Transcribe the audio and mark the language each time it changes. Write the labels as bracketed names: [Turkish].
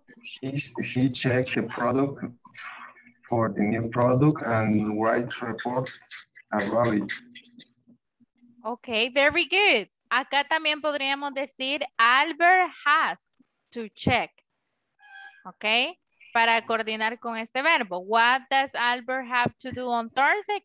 [English] He checked the product for the new product and write report about it. Ok, very good. [Spanish] Acá también podríamos decir Albert [English] has to check. [Spanish] Ok, para coordinar con este verbo. [English] What does Albert have to do on Thursday?